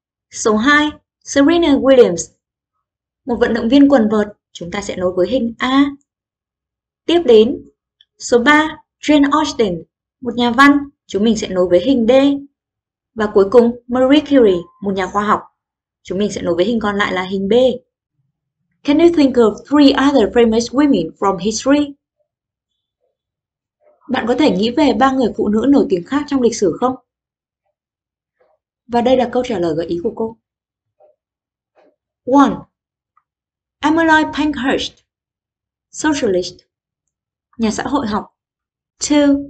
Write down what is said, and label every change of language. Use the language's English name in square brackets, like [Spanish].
[Vietnamese] Số 2, Serena Williams, một vận động viên quần vợt, chúng ta sẽ nối với hình A. Tiếp đến, số 3, Jane Austen, một nhà văn, chúng mình sẽ nối với hình D. Và cuối cùng, Marie Curie, một nhà khoa học, chúng mình sẽ nối với hình còn lại là hình B. [English] Can you think of three other famous women from history? [Vietnamese] Bạn có thể nghĩ về ba người phụ nữ nổi tiếng khác trong lịch sử không? Và đây là câu trả lời gợi ý của cô. 1. Emmeline Pankhurst, socialist, nhà xã hội học. 2.